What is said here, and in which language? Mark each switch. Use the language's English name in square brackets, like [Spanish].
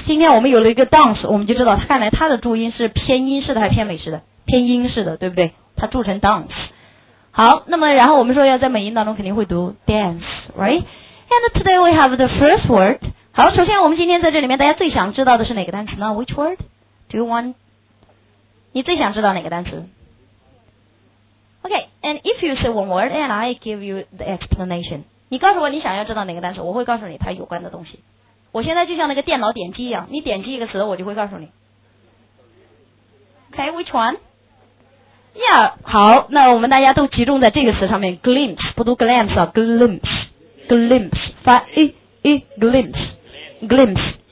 [Chinese] 今天我们有了一个 dance， 我们就知道看来它的注音是偏英式的还是偏美式的？偏英式的，对不对？它注成 dance。好，那么然后我们说要在美音当中肯定会读 dance, [English] right? And today we have the first word. [Chinese] 好，首先我们今天在这里面大家最想知道的是哪个单词呢？ [English] Which word? Do you want? [Chinese] 你最想知道哪个单词？ [English] Okay, and if you say one word and I give you the explanation. [Chinese] 你告诉我你想要知道哪个单词，我会告诉你它有关的东西。我现在就像那个电脑点击一样，你点击一个词我就会告诉你。 [English] OK, which one? Yeah, [Chinese] 好，那我们大家都集中在这个词上面， glimpse， 不读 glimpse 啊， glimpse， glimpse， 发 e e， glimpse， glimpse。